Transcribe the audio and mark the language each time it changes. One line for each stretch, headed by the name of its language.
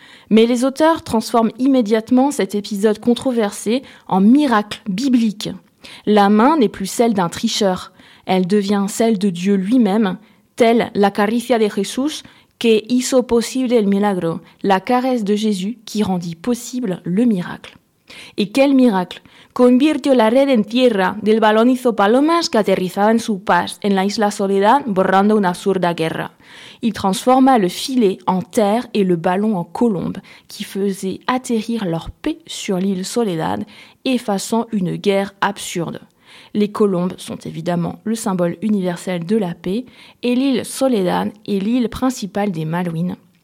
French: Mais les auteurs transforment immédiatement cet épisode controversé en miracle biblique. La main n'est plus celle d'un tricheur, elle devient celle de Dieu lui-même, telle
Spanish: la caricia de Jesús que hizo posible el milagro,
French: la caresse de Jésus qui rendit possible le miracle. Et quel miracle!
Spanish: Convirtió la red en tierra, del balón hizo palomas que aterrizaba en su paz, en la isla Soledad, borrando una absurda guerra.
French: Il transforma le filet en terre et le ballon en colombe, qui faisait atterrir leur paix sur l'île Soledad, effaçant une guerre absurde. Les colombes sont évidemment le symbole universel de la paix, et l'île Soledad est l'île principale des Malouines.